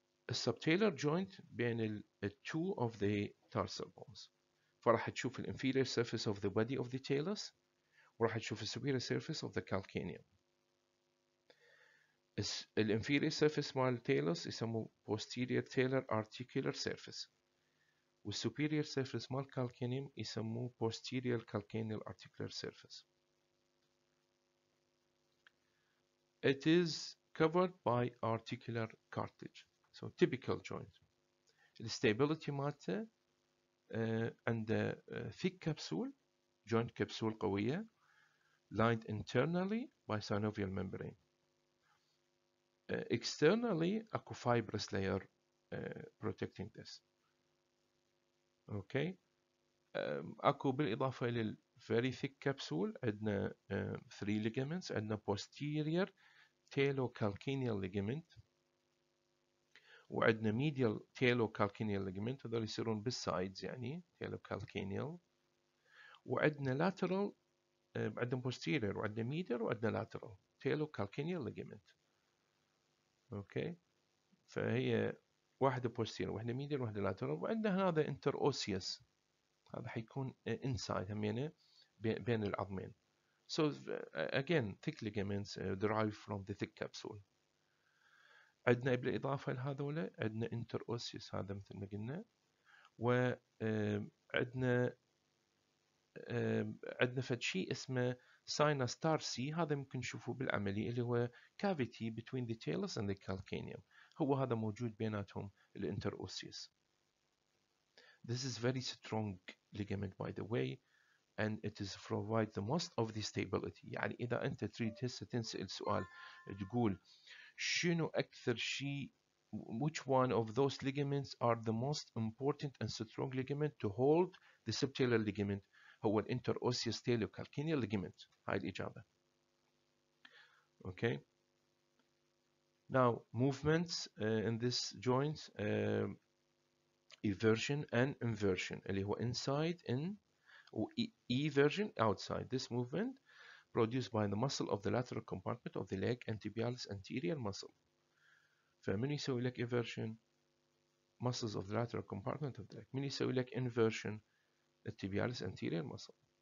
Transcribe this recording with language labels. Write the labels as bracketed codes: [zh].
[ar] السبتيلر جوينت بين ال two of the tarsal bones، فراح تشوف الانفيريور سيرفيس اوف ذا بودي اوف ذا تالوس وراح تشوف السوبيريور سيرفيس اوف ذا كالكانيوم. الانفيريور سيرفيس مال تالوس يسموه بوستيريور تالر ارتيكولار سيرفيس، والسوبيريور سيرفيس مال كالكانيوم يسموه posterior calcaneal articular surface. [en] It is covered by articular cartilage. So typical joint. The stability matter and the thick capsule, joint capsule [ar] قوية, [en] lined internally by synovial membrane. Externally, aqua fibrous layer protecting this. [ar] اوكي اكو بالاضافه لل very thick capsule عندنا 3 ligaments، عندنا posterior talocalcaneal ligament وعندنا medial talocalcaneal ligament، هذول يصيرون بالسايدز يعني talocalcaneal، وعندنا lateral عندنا posterior وعندنا medial وعندنا lateral talocalcaneal ligament. اوكي فهي واحدة posterior واحدة medial واحدة lateral، وعندنا هذا interosseous هذا حيكون inside همينه بين العظمين. [en] So again thick ligaments derived from the thick capsule. [ar] عندنا بالإضافة لهذولا عندنا interosseous هذا مثل ما قلنا، وعندنا فد شيء اسمه sinus tarsi هذا ممكن نشوفه بالعملي اللي هو [en] cavity between the talus and the calcaneum [ar] هو هذا موجود بيناتهم الانتروسيس. [en] This is very strong ligament by the way and it is provide the most of the stability. [ar] يعني إذا أنت تريد هسه تنسأل سؤال تقول شنو أكثر شيء [en] which one of those ligaments are the most important and strong ligament to hold the subtalar ligament [ar] هو الانتروسيس تيليوكالكينيال ligament هاي الإجابة. [en] Okay. Now movements in this joint eversion and inversion اللي هو inside in eversion outside this movement produced by the muscle of the lateral compartment of the leg and tibialis anterior muscle [ar] فمن يسوي لك [en] eversion muscles of the lateral compartment of the leg [ar] من يسوي لك [en] inversion the tibialis anterior muscle